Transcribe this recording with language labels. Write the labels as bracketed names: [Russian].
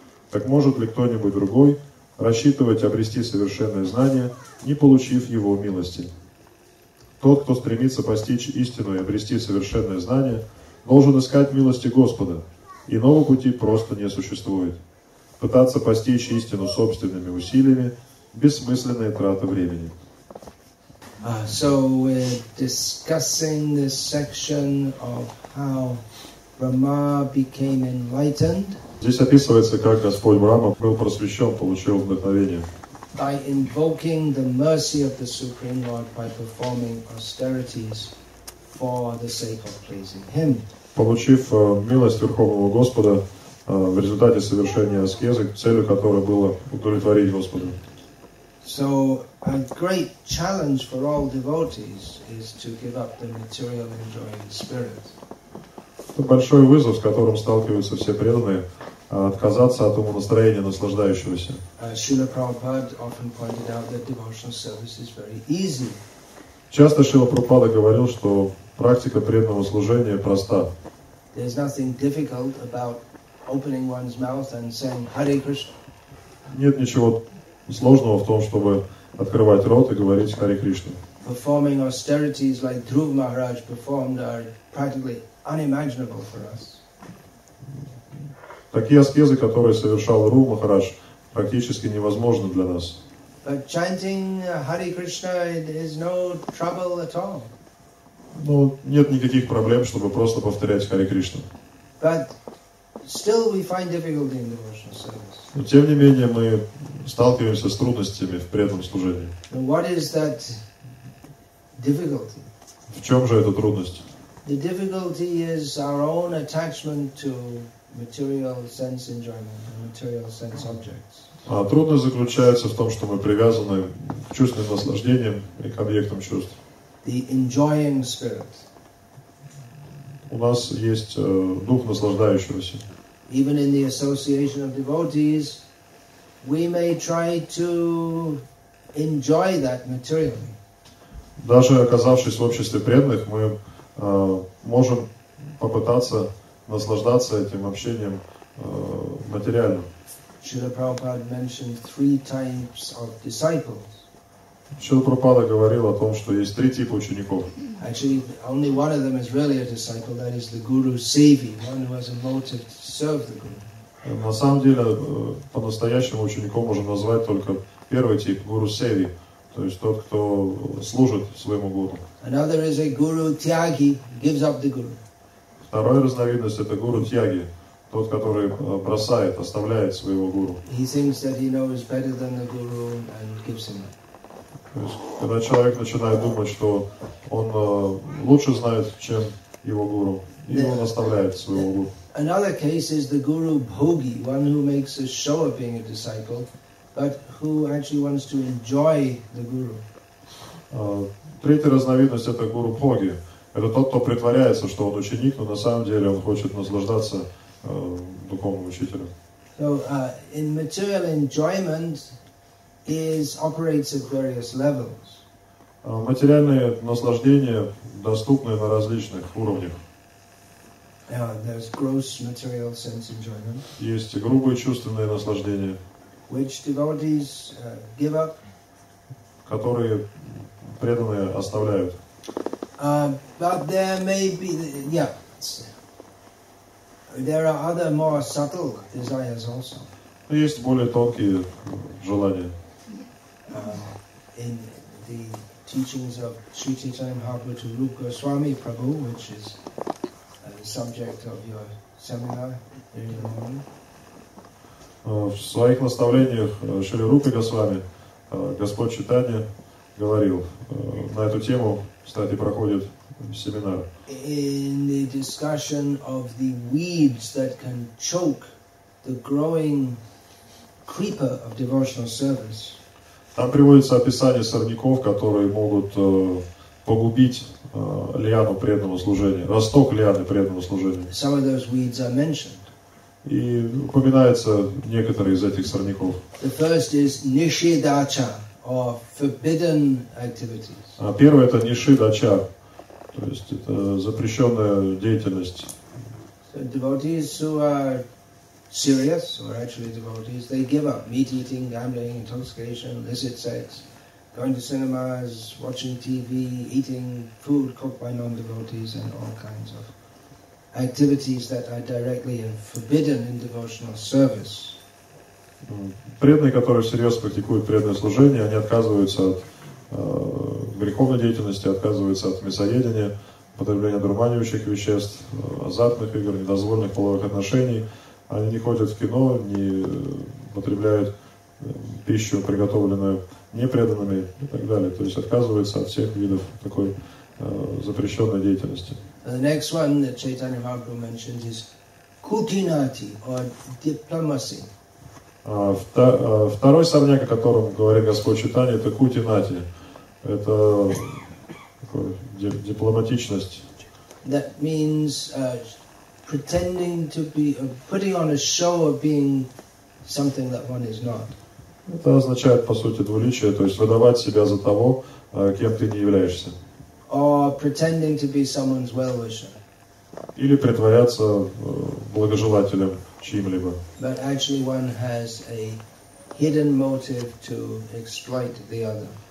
[Russian] Так может ли кто-нибудь другой рассчитывать обрести совершенное знание, не получив его милости? Тот, кто стремится постичь истину и обрести совершенное знание, должен искать милости Господа. Иного пути просто не существует. Пытаться постичь истину собственными усилиями – бессмысленная трата времени. [English] So we're discussing this section of how Brahma became enlightened. [Russian] Здесь описывается, как Господь Брахма был просвещен, получил вдохновение. [English] By invoking the mercy of the Supreme Lord by performing austerities for the sake of pleasing Him. [Russian] Получив милость Верховного Господа в результате совершения аскезы, целью которой было удовлетворить Господа. [English] So a great challenge for all devotees is to give up the material enjoying spirit. [Russian] Это большой вызов, с которым сталкиваются все преданные, отказаться от ума настроения наслаждающегося. [English] Шрила Прабхупада often pointed out that devotional service is very easy. [Russian] Часто Шрила Прабхупада говорил, что практика преданного служения проста. [English] There's nothing difficult about opening one's mouth and saying Hare Krishna. [Russian] Нет ничего сложного в том, чтобы открывать рот и говорить Харе Кришна. [English] Performing austerities like Dhruva Maharaj performed are practically unimaginable for us. [Russian] Такие аскезы, которые совершал Дхрува Махарадж, практически невозможны для нас. [English] But chanting Hare Krishna is no trouble at all. [Russian] Ну, нет никаких проблем, чтобы просто повторять Харе Кришна. [English] But still we find difficulty in devotional service. [Russian] Но тем не менее мы сталкиваемся с трудностями в преданном служении. [English] And what is that difficulty? [Russian] В чем же эта трудность? [English] The difficulty is our own attachment to material sense enjoyment, material sense objects. [Russian] А трудность заключается в том, что мы привязаны к чувственным наслаждениям и к объектам чувств. [English] The enjoying spirit. [Russian] У нас есть дух наслаждающегося. [English] Even in the association of devotees, we may try to enjoy that materially. [Russian] Даже оказавшись в обществе преданных, мы можем попытаться наслаждаться этим общением материально. [English] Шрила Прабхупада mentioned three types of disciples. [Russian] Шрила Прабхупада говорил о том, что есть три типа учеников. [English] Actually, only one of them is really a disciple, that is the guru sevi, one who has a motive to serve the guru. [Russian] На самом деле, по-настоящему учеником можно назвать только первый тип, guru sevi, То есть тот, кто служит своему гуру. [English] Another is a guru tyagi, gives up the guru. [Russian] Вторая разновидность — это гуру тьяги, тот, который бросает, оставляет своего гуру. [English] He thinks that he knows better than the guru and gives him up. [Russian] То есть, когда человек начинает думать, что он лучше знает, чем его гуру, и он оставляет своего гуру. [English] Another case is the guru bhogi, one who makes a show of being a disciple, but who actually wants to enjoy the guru. [Russian] Третья разновидность – это гуру бхоги. Это тот, кто притворяется, что он ученик, но на самом деле он хочет наслаждаться духовным учителем. [English] So, in material enjoyment, is operates at various levels. [Russian] Материальные наслаждения доступны на различных уровнях. [English] There's gross material sense enjoyment. [Russian] Есть грубые чувственные наслаждения. [English] Which devotees give up? [Russian] Которые преданные оставляют. [English] But there may be, there are other more subtle desires also. [Russian] Есть более тонкие желания. [English] In the teachings of Sri Chaitanya Mahaprabhu to Rupa Goswami Prabhu, which is the subject of your seminar during the morning. [Russian] В своих наставлениях Шри Рупы Госвами Господь Чайтанья говорил на эту тему, кстати, проходит семинар. [English] In the discussion of the weeds that can choke the growing creeper of devotional service. [Russian] Там приводится описание сорняков, которые могут погубить лиану преданного служения, росток лианы преданного служения. [English] Some of those weeds are mentioned. [Russian] И упоминаются некоторые из этих сорняков. [English] The first is nishidacha, or forbidden activities. [Russian] А первое — это нишидача, то есть это запрещенная деятельность. [English] So devotees who are serious, or actually devotees, they give up meat eating, gambling, intoxication, illicit sex, going to cinemas, watching TV, eating food cooked by non-devotees, and all kinds of activities that are directly forbidden in devotional service. [Russian] Преданные, которые всерьез практикуют преданное служение, они отказываются от греховной деятельности, отказываются от мясоедения, потребления дурманивающих веществ, азартных игр, недозволенных половых отношений. Они не ходят в кино, не потребляют пищу, приготовленную непреданными и так далее. То есть отказываются от всех видов такой запрещенной деятельности. [English] The next one that Chaitanya Mahaprabhu mentioned is kutinati, or diplomacy. [Russian] Второй сорняк, о котором говорит Господь Чайтанья, это кутинати. Это дипломатичность. [English] That means pretending to be, putting on a show of being something that one is not. [Russian] Это означает, по сути, двуличие, то есть выдавать себя за того, кем ты не являешься. [English] Or pretending to be someone's well-wisher. [Russian] Или притворяться благожелателем чьим-либо. [English] But actually one has a hidden motive to exploit the other.